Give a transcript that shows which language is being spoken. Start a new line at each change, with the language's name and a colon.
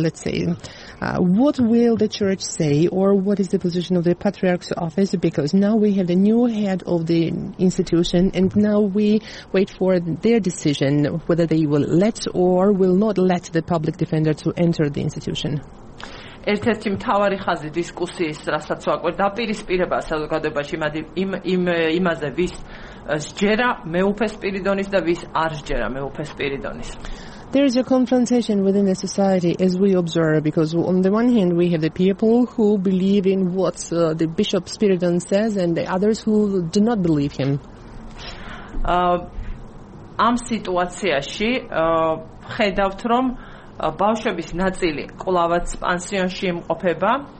English: Let's say, what will the church say, or what is the position of the Patriarch's office? Because now we have the new head of the institution, and now we wait for their decision whether they will let or will not let the public defender to enter the institution.
Georgian: ერთ-ერთი მთავარი ხაზი დისკუსიის, რასაც ვაკვირდა, დაპირისპირება საზოგადოებაში იმაზე, ვის სჯერა მეუფე სპირიდონის და ვის არ სჯერა მეუფე სპირიდონის.
English: There is a confrontation within the society, as we observe, because on the one hand we have the people who believe in what the Bishop Spiridon says, and the others who do not believe him.
Georgian: ამ სიტუაციაში ხედავთ, რომ ბავშვების ნაწილი კვლავაც პანსიონში იმყოფება.